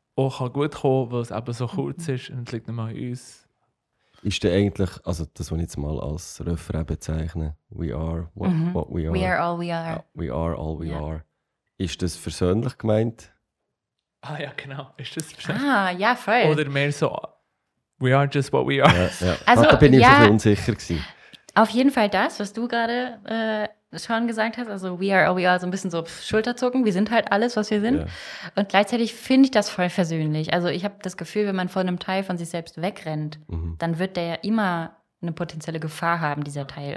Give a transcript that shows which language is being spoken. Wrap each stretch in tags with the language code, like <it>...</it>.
<de>auch gut kommen kann, weil es eben so kurz ist und es liegt nicht mehr an uns. Ist der eigentlich, also das, was ich jetzt mal als Refrain bezeichne,</de> <en>we are what we are. We are all we are.</en> <de>Ja,</de> <en>we are all we are.</en> <de>Ist das persönlich gemeint? Ah ja, genau. Ist das persönlich? Ah, ja, voll. Oder mehr so,</de> <en>we are just what we are.</en> <de>Ja, ja. Also, da bin ich ein bisschen unsicher gewesen. Auf jeden Fall das, was du gerade schon gesagt hast, also</de> <en>we are all we are,</en> <de>so ein bisschen so Schulterzucken, wir sind halt alles, was wir sind. Yeah. Und gleichzeitig finde ich das voll versöhnlich. Also ich habe das Gefühl, wenn man von einem Teil von sich selbst wegrennt, dann wird der ja immer eine potenzielle Gefahr haben, dieser Teil.</de>